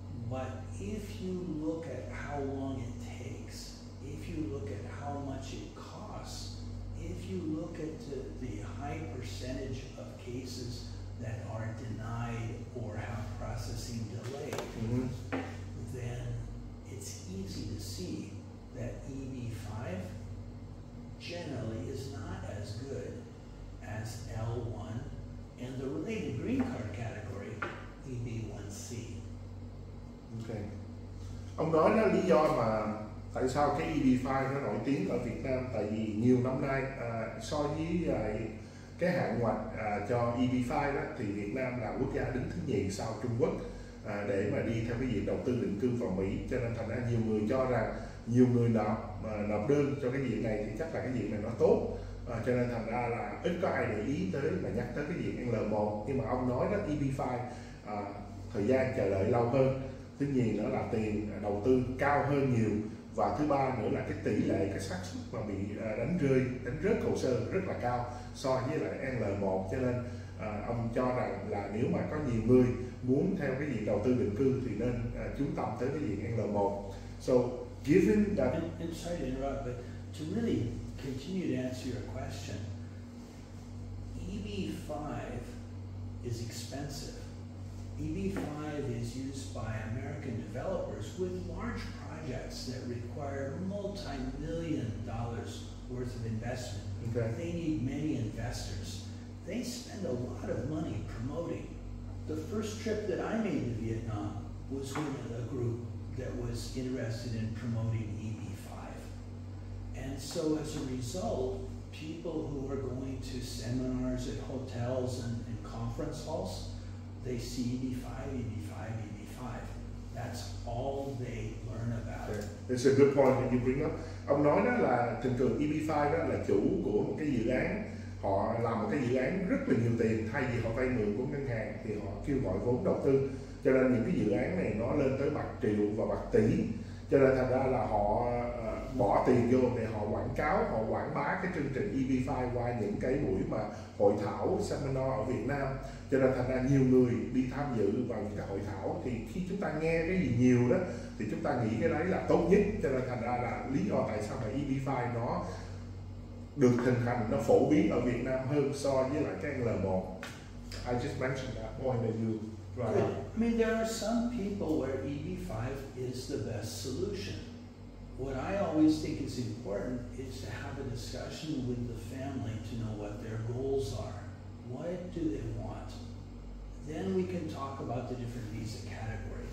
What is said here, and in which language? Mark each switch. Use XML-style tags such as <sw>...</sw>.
<en>But if you look at how long it takes, if you look at how much it costs, if you look at the high percentage of cases that are denied or have processing delay, then it's easy to see that EB-5 generally is not as good as L1 and the related green card category, EB1C. Okay.</en> <vi>Ông nói là lý do mà tại sao cái EB5 nó nổi tiếng ở Việt Nam, tại vì nhiều năm nay so với cái hạn ngạch cho EB5 đó, thì Việt Nam là quốc gia đứng thứ nhì sau Trung Quốc để mà đi theo cái diện đầu tư định cư vào Mỹ. Cho nên thành ra nhiều người cho rằng nhiều người nộp đơn cho cái diện này thì chắc là cái diện này nó tốt, cho nên thành ra là ít có ai để ý tới mà nhắc tới cái diện L1. Nhưng mà ông nói đó, EB5 thời gian chờ đợi lâu hơn, thứ nhì nữa là tiền đầu tư cao hơn nhiều, và thứ ba nữa là cái tỷ lệ, cái xác suất mà bị đánh rớt hồ sơ rất là cao so với lại L1. Cho nên ông cho rằng là nếu mà có nhiều người muốn theo cái diện đầu tư định cư thì nên chú tâm tới cái diện L1.</vi> <en>So given that, and sorry to interrupt, but to really continue to answer your question, EB-5 is expensive. EB-5 is used by American developers with large projects that require multi-million dollars worth of investment. Okay. They need many investors. They spend a lot of money promoting. The first trip that I made to Vietnam was with a group that was interested in promoting EB-5. And so as a result, people who are going to seminars at hotels and conference halls, they see EB-5, EB-5, EB-5. That's all they learn about. Okay. That's a good point that you bring up.</en> <vi>Ông nói đó là thường thường EB-5 đó là chủ của một cái dự án. Họ làm một cái dự án rất là nhiều tiền, thay vì họ vay mượn của ngân hàng thì họ kêu gọi vốn đầu tư. Cho nên những cái dự án này nó lên tới bạc triệu và bạc tỷ. Cho nên thành ra là họ bỏ tiền vô để họ quảng cáo, họ quảng bá cái chương trình EB5 qua những cái buổi mà hội thảo, seminar ở Việt Nam. Cho nên thành ra nhiều người đi tham dự vào những cái hội thảo, thì khi chúng ta nghe cái gì nhiều đó thì chúng ta nghĩ cái đấy là tốt nhất. Cho nên thành ra là lý do tại sao mà EB5 nó được hình thành, nó phổ biến ở Việt Nam hơn so với lại cái L1.</vi> <en>I just mentioned that point that you brought up. I mean, there are some people where EB5 is the best solution. What I always think is important is to have a discussion with the family to know what their goals are. What do they want? Then we can talk about the different visa categories.</en>